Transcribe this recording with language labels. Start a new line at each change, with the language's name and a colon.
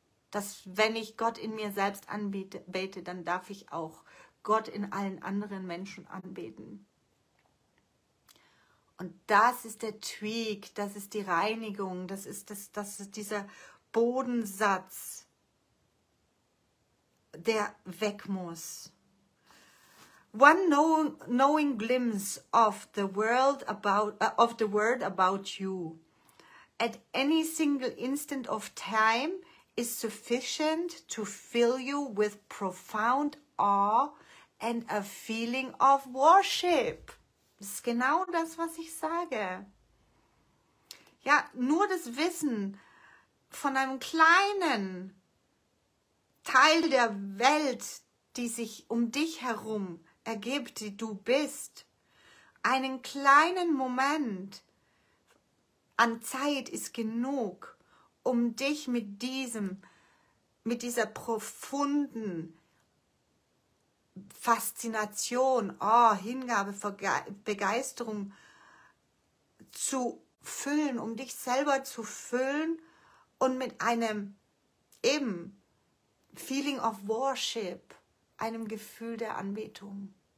German: Dass, wenn ich Gott in mir selbst anbete, dann darf ich auch Gott in allen anderen Menschen anbeten. Und das ist der Tweak, das ist die Reinigung, das ist dieser Bodensatz, der weg muss.
English: One knowing glimpse of the word about you at any single instant of time is sufficient to fill you with profound awe and a feeling of worship.
German: Das ist genau das, was ich sage. Ja, nur das Wissen von einem kleinen Teil der Welt, die sich um dich herum ergibt, die du bist. Einen kleinen Moment an Zeit ist genug, um dich mit dieser profunden Faszination, oh, Hingabe, Begeisterung zu füllen, um dich selber zu füllen und mit einem eben
English: Feeling of Worship,
German: einem Gefühl der Anbetung.